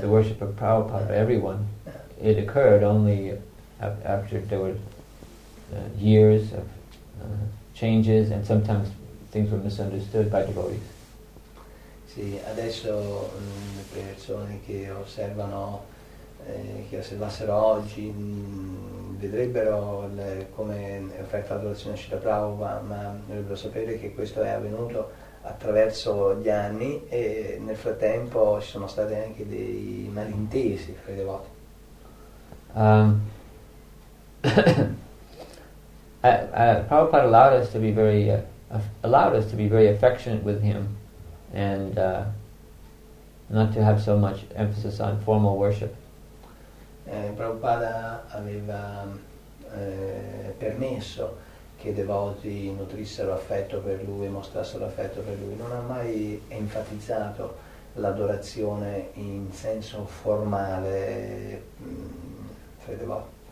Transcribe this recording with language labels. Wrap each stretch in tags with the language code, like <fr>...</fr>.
<en>the worship of Prabhupada for everyone, it occurred only after there were years of changes and sometimes things were misunderstood by devotees.</en> <it>Sì, adesso le persone che osservano, che osservassero oggi, vedrebbero come è offerta l'adorazione a Srila Prabhupada, ma dovrebbero sapere che questo è avvenuto attraverso gli anni e nel frattempo ci sono stati anche dei malintesi fra i devoti.</it> <en>Prabhupada allowed us to be very allowed us to be very affectionate with him and not to have so much emphasis on formal worship.</en> <it>Prabhupada aveva permesso che i devoti nutrissero affetto per lui, mostrassero affetto per lui, non ha mai enfatizzato l'adorazione in senso formale fra i devoti.</it>